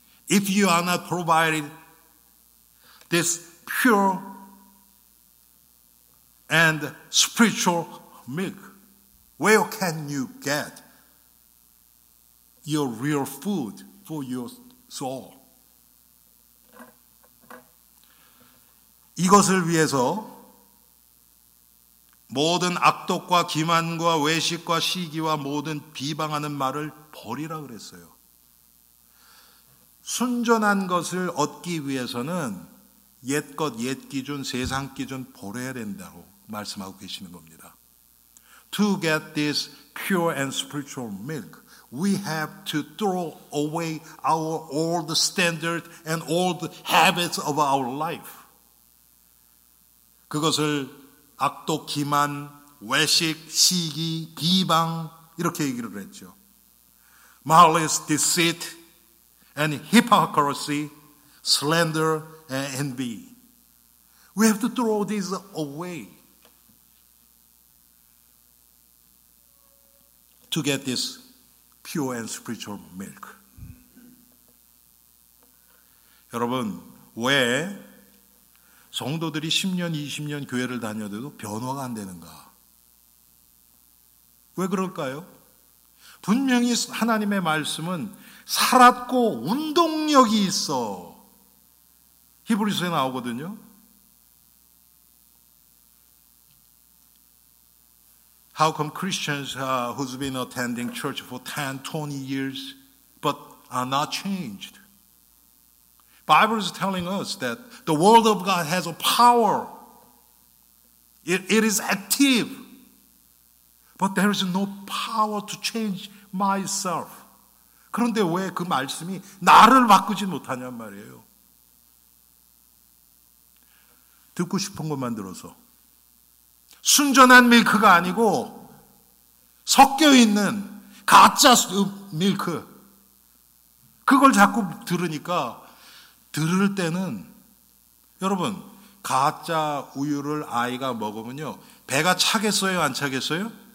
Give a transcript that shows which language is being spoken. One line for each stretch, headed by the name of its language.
English: If you are not provided this pure and spiritual milk, where can you get your real food for your soul?
Korean: 이것을 위해서 모든 악독과 기만과 외식과 시기와 모든 비방하는 말을 버리라 그랬어요. 순전한 것을 얻기 위해서는 옛것, 옛 기준, 세상 기준 버려야 된다고 말씀하고 계시는 겁니다. To get this pure and spiritual milk, we have to throw away our old standard and old habits of our life. 그것을 악독, 기만, 외식, 시기, 비방 이렇게 얘기를 했죠.
English: Malice, deceit, and hypocrisy, slander, and envy. We have to throw these away to get this pure and spiritual milk.
Korean: 여러분, 왜 성도들이 10년, 20년 교회를 다녀도 변화가 안 되는가? 왜 그럴까요? 분명히 하나님의 말씀은 살았고 운동력이 있어. 히브리서에 나오거든요.
English: 'How come Christians who's been attending church for 10, 20 years but are not changed?' Bible is telling us that the word of God has a power. It is active. But there is no power to change myself.
Korean: 그런데 왜 그 말씀이 나를 바꾸지 못하냔 말이에요. 듣고 싶은 것만 들어서 순전한 밀크가 아니고 섞여있는 가짜 밀크 그걸 자꾸 들으니까 들을 때는 여러분 가짜 우유를 아이가 먹으면요 배가 차겠어요 안 차겠어요?